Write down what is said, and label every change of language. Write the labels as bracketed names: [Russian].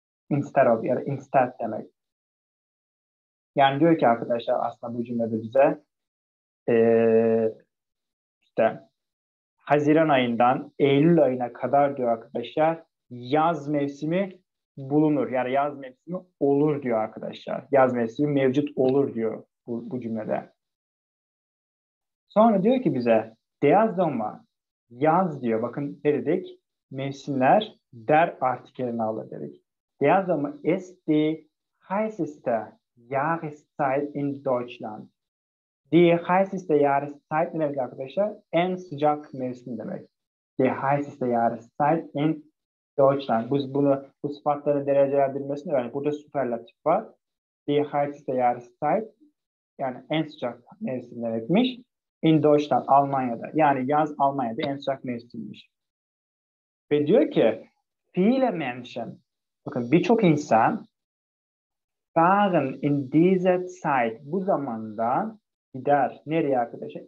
[English] Instead of [Turkish] ya da instead demek. Yani diyor ki arkadaşlar aslında bu cümlede bize işte Haziran ayından Eylül ayına kadar diyor arkadaşlar yaz mevsimi bulunur. Yani yaz mevsimi olur diyor arkadaşlar. Yaz mevsimi mevcut olur diyor bu cümlede. Sonra diyor ki bize [German] der Sommer [Turkish] yaz diyor. Bakın ne dedik? Mevsimler der artikelini alır dedik. [German] Der Sommer ist die heißeste Jahreszeit in Deutschland. Die heißeste Jahreszeit [Turkish] ne demek arkadaşlar? En sıcak mevsim demek. [German] Die heißeste Jahreszeit in Deutschland. [Turkish] Biz bunu bu sıfatları derecelendirmesini öğrendik. Burada süperlatif var. [German] Die heißeste Jahreszeit [Turkish] yani en sıcak mevsim demekmiş. In Deutschland, Almanya'da. Yani yaz Almanya'da en sıcak mevsimmiş. Ve diyor ki [German] viele Menschen [Turkish] bakın birçok insan [German] fahren in dieser Zeit [Turkish] bu zamanda gider. Nereye arkadaşlar?